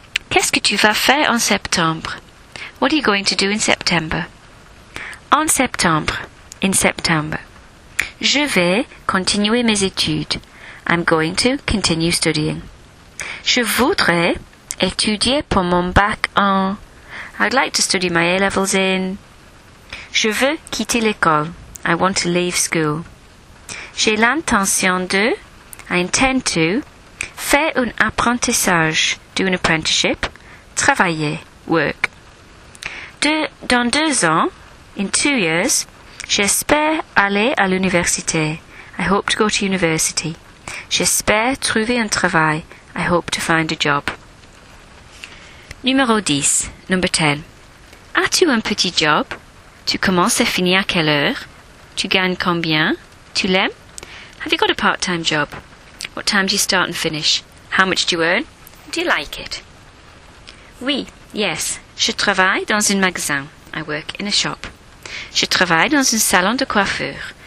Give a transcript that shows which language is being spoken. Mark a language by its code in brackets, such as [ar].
[fr] Qu'est-ce que tu vas faire en septembre? [en] What are you going to do in September? [fr] En septembre. [en] In September. [fr] Je vais continuer mes études. [en] I'm going to continue studying. [fr] Je voudrais étudier pour mon bac en... [en] I'd like to study my A-levels in... [fr] Je veux quitter l'école. [en] I want to leave school. [fr] J'ai l'intention de... [en] I intend to... [fr] Faire un apprentissage. [en] Do an apprenticeship. [fr] Travailler. Work. Dans 2 ans, [en] in 2 years, [fr] j'espère aller à l'université. [en] I hope to go to university. [fr] J'espère trouver un travail. [en] I hope to find a job. [fr] Numéro 10. [en] Number 10. [fr] As-tu un petit job? Tu commences et finis à quelle heure? Tu gagnes combien? Tu l'aimes? [en] Have you got a part-time job? What time do you start and finish? How much do you earn? Do you like it? Oui, yes. [fr] Je travaille dans un magasin. [en] I work in a shop. [fr] Je travaille dans un salon de coiffure.